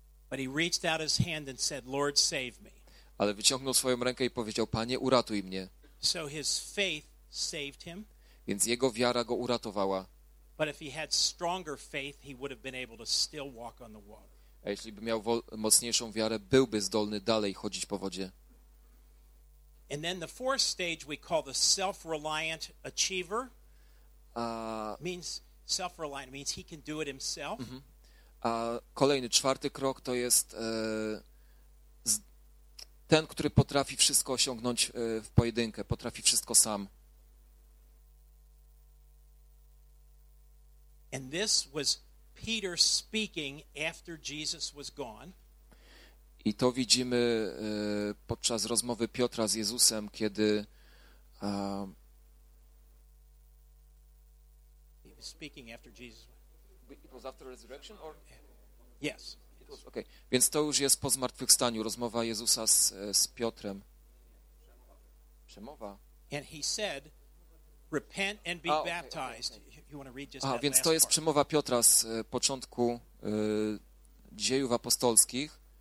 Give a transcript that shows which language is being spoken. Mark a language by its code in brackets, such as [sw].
[en] But he reached out his hand and said, "Lord, save me." [pl] Ale wyciągnął swoją rękę i powiedział: "Panie, uratuj mnie." [en] So his faith saved him. [pl] Więc jego wiara go uratowała. [en] But if he had stronger faith, he would have been able to still walk on the water. [pl] A jeśli by miał mocniejszą wiarę, byłby zdolny dalej chodzić po wodzie. [en] And then the fourth stage we call the self-reliant achiever. Means he can do it himself. Mm-hmm. [pl] A kolejny, czwarty krok to jest ten, który potrafi wszystko osiągnąć w pojedynkę, potrafi wszystko sam. [en] And this was Peter speaking after Jesus was gone. [pl] I to widzimy podczas rozmowy Piotra z Jezusem, kiedy [en] he was speaking after Jesus. It was after resurrection or yes. It was, okay. [pl] Więc to już jest po zmartwychwstaniu, rozmowa Jezusa z Piotrem. Przemowa. [en] And he said, "Repent and be baptized." Okay. You want to read just [pl] Więc to jest [en] part. [pl] Przemowa Piotra z początku Dziejów Apostolskich.